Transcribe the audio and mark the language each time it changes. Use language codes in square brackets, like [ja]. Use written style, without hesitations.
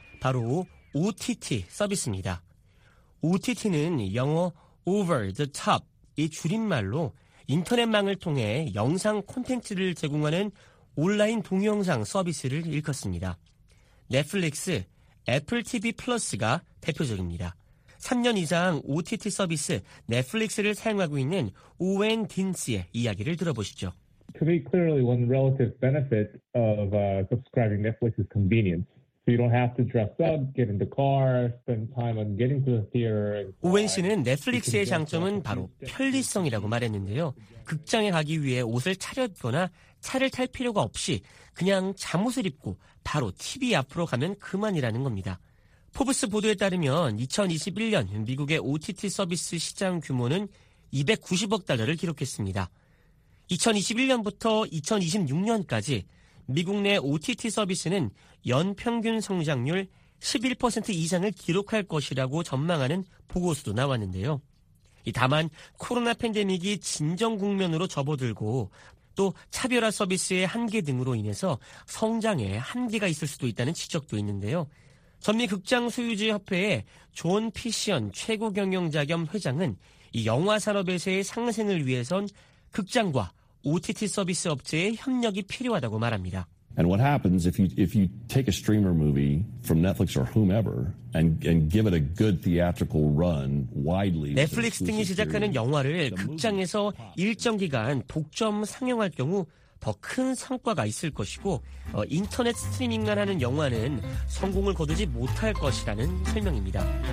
[ko] 바로 OTT 서비스입니다. OTT는 영어 Over the Top의 줄임말로 인터넷망을 통해 영상 콘텐츠를 제공하는 온라인 동영상 서비스를 일컫습니다. 넷플릭스, 애플 TV 플러스가 대표적입니다. 3년 이상 OTT 서비스 넷플릭스를 사용하고 있는 오웬 딘스의 이야기를 들어보시죠. [en] To me, clearly one relative benefit of subscribing Netflix is convenience. So you don't have to dress up, get in the car, spend time on getting to the theater. [ko] 오웬 씨는 넷플릭스의 장점은 바로 편리성이라고 말했는데요. 극장에 가기 위해 옷을 차려입거나 차를 탈 필요가 없이 그냥 잠옷을 입고 바로 TV 앞으로 가면 그만이라는 겁니다. 포브스 보도에 따르면 2021년 미국의 OTT 서비스 시장 규모는 290억 달러를 기록했습니다. 2021년부터 2026년까지 미국 내 OTT 서비스는 연평균 성장률 11% 이상을 기록할 것이라고 전망하는 보고서도 나왔는데요. 다만 코로나 팬데믹이 진정 국면으로 접어들고 또 차별화 서비스의 한계 등으로 인해서 성장에 한계가 있을 수도 있다는 지적도 있는데요. 전미극장소유지협회의 존 피시언 최고경영자 겸 회장은 이 영화산업에서의 상승을 위해선 극장과 OTT 서비스 업체의 협력이 필요하다고 말합니다. [en] And what happens if you take a streamer movie from Netflix or whomever and give it a good theatrical run widely? [ko] 넷플릭스 등이 제작하는 영화를 극장에서 일정 기간 독점 상영할 경우 더 큰 성과가 있을 것이고 인터넷 스트리밍만 하는 영화는 성공을 거두지 못할 것이라는 설명입니다.